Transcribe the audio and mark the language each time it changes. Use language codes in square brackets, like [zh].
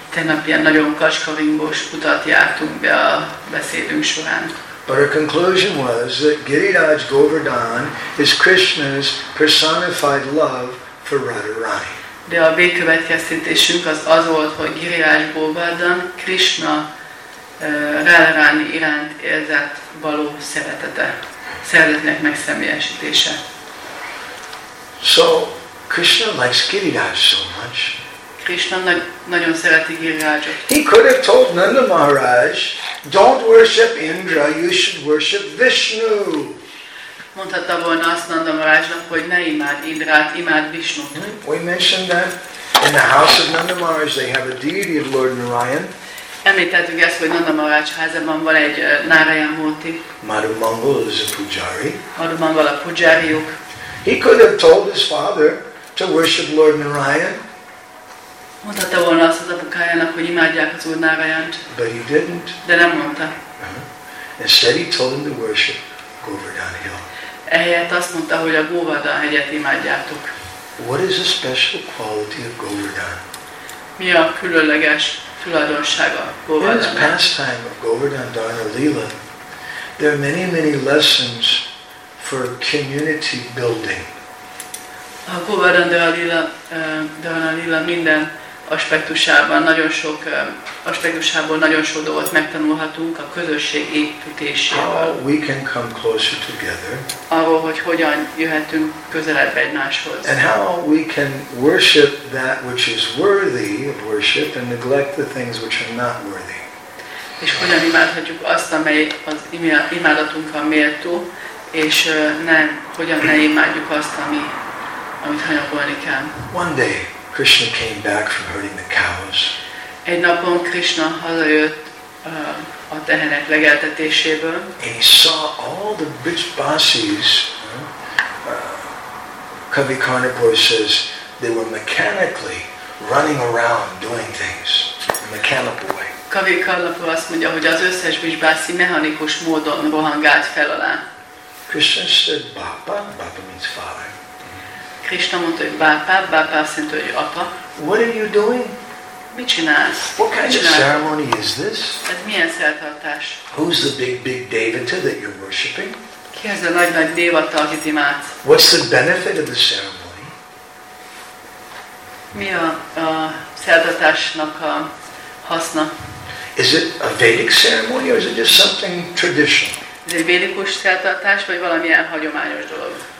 [hu] Tegnap ilyen nagyon kacskaringós utat jártunk be a beszédünk során. [en] But our conclusion was that Giriraj Govardhan is Krishna's personified love for Radharani. [hu] De a végkövetkeztetésünk az volt, hogy Giriraj Govardhan Krishna Radharani iránt érzett való szeretete, szeretetnek megszemélyesítése. [en] So Krishna likes Giriraj so much. [hu] Krishna nagyon szereti Girirajot. [en] He could have told Nanda Maharaj, don't worship Indra, you should worship Vishnu. [hu] Mondhatta volna azt Nanda Maharajnak, hogy ne imád Indrát, imád Vishnut. [en] We mentioned that in the house of Nanda Maharaj they have a deity of Lord Narayan. [hu] Említettük ezt, hogy Nanda Maharaj házában van egy Narayan Murti. [en] Madhu Mangal is a pujari. [hu] Madhu Mangal a pujariuk. [en] He could have told his father to worship Lord Narayan. [hu] Mondhatta volna azt az apukájának, hogy imádják az Úr Narayant. [en] But he didn't. [hu] De nem mondta. [en] Instead he told him to worship Govardhan Hill. [hu] Ehelyett azt mondta, hogy a Govardhan hegyet imádjátok. [en] What is a special quality of Govardhan? [hu] Mi a különleges tulajdonsága Govardhan? [en] In this pastime of Govardhan Dharana Leela, there are many, many lessons for community building. [hu] A Govardhan Dhyanalila minden aspektusában, nagyon sok aspektusából nagyon sok dolgot megtanulhatunk a közösség építéséből. [en] How we can come closer together. [hu] Arról, hogy hogyan jöhetünk közelebb egymáshoz. [en] And how we can worship that which is worthy of worship and neglect the things which are not worthy. [hu] És hogyan imádhatjuk azt, amely az imádatunkra méltó, és nem, hogyan ne imádjuk azt, ami amit hanyagolni kell. [en] One day Krishna came back from herding the cows. [hu] Egy napon Krishna hazajött a tehenek legeltetéséből. [en] And he saw all the Brijbasis, Kavi Karnapur says, they were mechanically running around doing things in a mechanical way. [hu] Kavi Karnapur azt mondja, hogy az összes Brijbasi mechanikus módon rohangált fel alá. [en] Krishna said, Bapa, Bapa means father. [hu] Krishna mondta, hogy bápa, bápa azt jelenti, hogy apa. [en] What are you doing? [hu] Mit csinálsz? [en] What kind of ceremony is this? [hu] Ez milyen szertartás? [en] Who's the big, big devata that you're worshipping? [hu] Ki az a nagy, nagy devata, akit imád? [en] What's the benefit of the ceremony? [hu] Mi a szertartásnak a haszna? [en] Is it a Vedic ceremony or is it just something traditional? [hu] Ez egy védikus szertartás, vagy valamilyen hagyományos dolog?